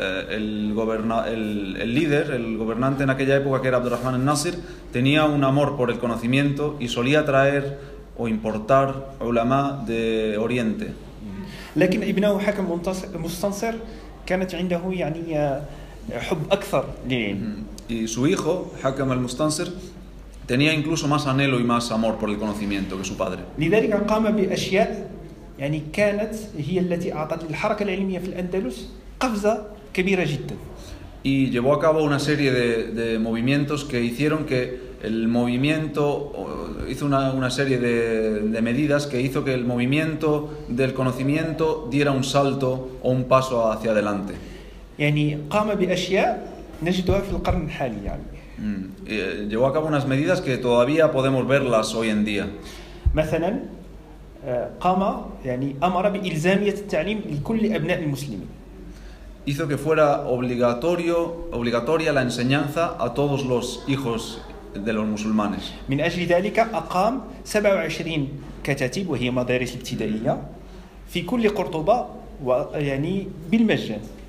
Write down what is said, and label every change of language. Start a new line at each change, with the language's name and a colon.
Spanish: El gobernante en aquella época que era Abdurrahman al-Nasir tenía un amor por el conocimiento y solía traer o importar ulama de Oriente.
Arabic: لكن ابنه حكم مستنصر كانت عنده يعني حب أكثر للعلم.
Spanish: Y su hijo Hakam al-Mustansir tenía incluso más anhelo y más amor por el conocimiento que su padre.
Arabic: لذلك قام بأشياء يعني كانت هي التي أعطت الحركة العلمية في الأندلس قفزة كبيرة جدا.
Spanish: Y llevó a cabo una serie de movimientos que hicieron que el movimiento hizo una serie de medidas que hizo que el movimiento del conocimiento diera un salto o un paso hacia adelante.
Arabic: يعني قام بأشياء نجدها في القرن الحالي يعني.
Spanish: Llevó a cabo unas medidas que todavía podemos verlas hoy en día.
Arabic: مثلا قام يعني أمر بإلزامية التعليم لكل أبناء المسلمين.
Spanish: Hizo que fuera obligatoria la enseñanza a todos los hijos de los musulmanes.
Arabic: من أجل ذلك أقام 27 كتاتيب وهي مدارس ابتدائية في كل قرطبة ويعني بالمجان.